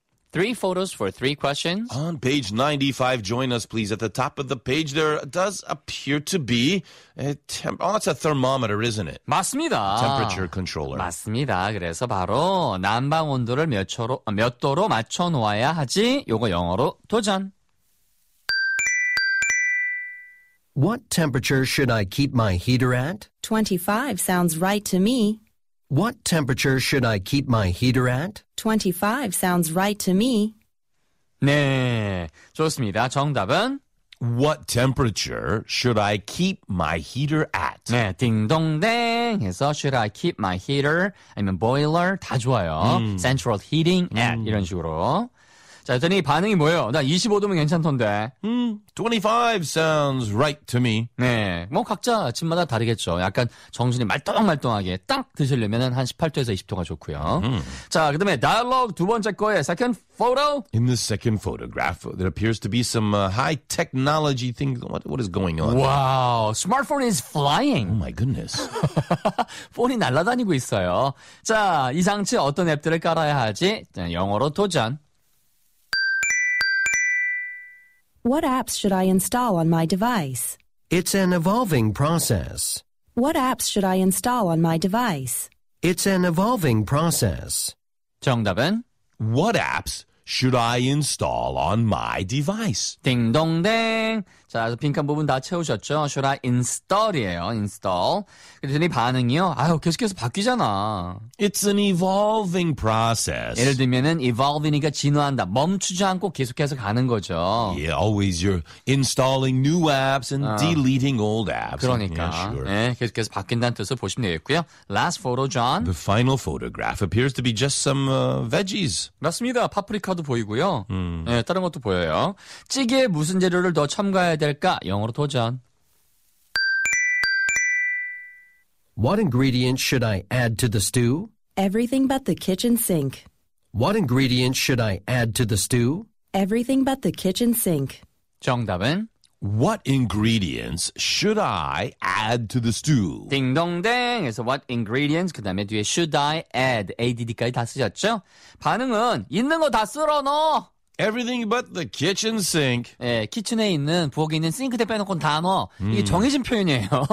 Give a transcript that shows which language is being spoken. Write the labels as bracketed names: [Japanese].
[English] Three photos for three questions. On page 95, join us, please. At the top of the page, there does appear to be a that's a thermometer, isn't it? [Korean] 맞습니다. [English] Temperature controller. [Korean] 맞습니다. 그래서 바로 난방 온도를 몇 도로 맞춰 놓아야 하지? 요거 영어로 도전. [English] What temperature should I keep my heater at? 25 sounds right to me. What temperature should I keep my heater at? 25 sounds right to me. [Korean] 네, 좋습니다. 정답은? [English] What temperature should I keep my heater at? [Korean] 네, 딩동댕 해서 [English] should I keep my heater [Korean] 아니면 boiler 다 좋아요. [English] Central heating at [Korean] 이런 식으로. 자, 그랬더니 반응이 뭐예요? 나 25도면 괜찮던데. [English] 25 sounds right to me. [Korean] 네. 뭐 각자 아침마다 다르겠죠. 약간 정신이 말똥말똥하게 딱 드시려면 한 18도에서 20도가 좋고요. 자, 그 다음에 dialogue 두 번째 거예요. [English] Second photo. In the second photograph, there appears to be some high technology thing. What is going on? Wow. Smartphone is flying. Oh my goodness. [Korean] 폰이 날아다니고 있어요. 자, 이 장치 어떤 앱들을 깔아야 하지? 영어로 도전. [English] What apps should I install on my device? It's an evolving process. What apps should I install on my device? It's an evolving process. [Korean] 정답은? [English] What apps should I install on my device? [Korean] 딩동댕. 자, 빈칸 부분 다 채우셨죠? [English] Should I install이에요, install. [Korean] 그랬더니 반응이요? 아유, 계속해서 바뀌잖아. [English] It's an evolving process. [Korean] 예를 들면은 evolving이니까 진화한다. 멈추지 않고 계속해서 가는 거죠. [English] Yeah, always you're installing new apps and deleting old apps. [Korean] 그러니까. [English] Yeah, sure. [Korean] 네, 계속해서 바뀐다는 뜻을 보시면 되겠고요. [English] Last photo, John. The final photograph appears to be just some veggies. [Korean] 맞습니다. 파프리카도 보이고요. 네, 다른 것도 보여요. 찌개에 무슨 재료를 더 첨가 해야 될까? 영어로 도전. [English] What ingredients should I add to the stew? Everything but the kitchen sink. What ingredients should I add to the stew? Everything but the kitchen sink. [Korean] 정답은 [English] What ingredients should I add to the stew? [Korean] 딩동댕. 그래서 what ingredients 그다음에 뒤에 should I add add까지 다 쓰셨죠? 반응은 있는 거 다 쓸어넣어. [English] Everything but the kitchen sink. [Korean] 예, 키친에 있는 부엌에 있는 싱크대 빼놓고는 다 넣어. 이게 정해진 표현이에요.